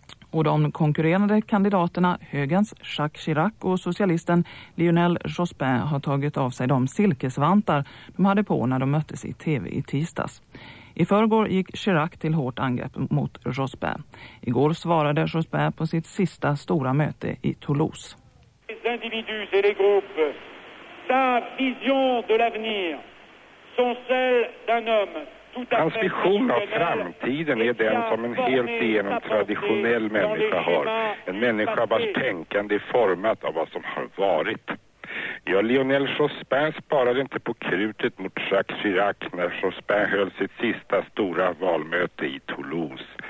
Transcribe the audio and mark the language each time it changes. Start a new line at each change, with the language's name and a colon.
Swedish: Och de konkurrerande kandidaterna, högerns Jacques Chirac och socialisten Lionel Jospin, har tagit av sig de silkesvantar de hade på när de möttes i tv i tisdags. I förrgår gick Chirac till hårt angrepp mot Jospin. Igår svarade Jospin på sitt sista stora möte i Toulouse.
French: Les individus et les groupes, sa vision de l'avenir, sont celles d'un homme.
Swedish: Hans vision av framtiden är den som en helt igenom traditionell människa har. En människa vars tänkande är format av vad som har varit. Ja, Lionel Jospin sparade inte på krutet mot Jacques Chirac när Jospin höll sitt sista stora valmöte i Toulouse.